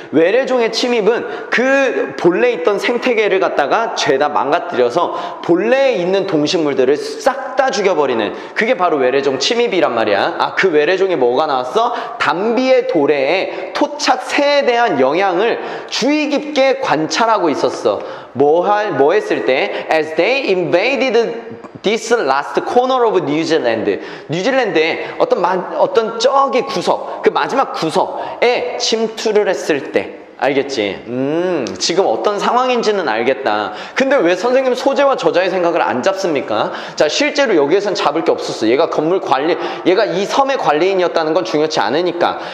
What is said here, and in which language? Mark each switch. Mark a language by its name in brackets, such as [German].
[Korean] 외래종의 침입은 그 본래 있던 생태계를 갖다가 죄다 망가뜨려서 본래에 있는 동식물들을 싹 다 죽여버리는, 그게 바로 외래종 침입이란 말이야. 아, 그 외래종에 뭐가 나왔어? 단비의 도래에 토착 새에 대한 영향을 주의 깊게 관찰하고 있었어. 뭐 했을 때? [English] As they invaded this last corner of New Zealand. [Korean] 뉴질랜드의 어떤 저기 구석, 그 마지막 구석에 침투를 했을 때. 알겠지? 지금 어떤 상황인지는 알겠다. 근데 왜 선생님 소재와 저자의 생각을 안 잡습니까? 자, 실제로 여기에선 잡을 게 없었어. 얘가 건물 관리, 얘가 이 섬의 관리인이었다는 건 중요치 않으니까.